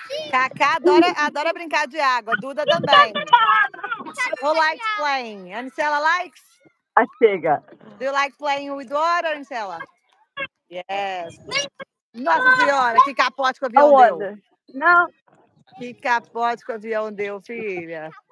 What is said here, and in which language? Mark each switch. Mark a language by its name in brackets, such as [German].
[Portuguese] Cacá adora brincar de água, Duda também. [English] Who likes playing? Anicela likes? [Portuguese] Ah, chega. [English] Do you like playing with water, Anicela? Yes. [Portuguese] Nossa senhora, que capote que o avião deu. Não. Que capote que o avião deu, filha.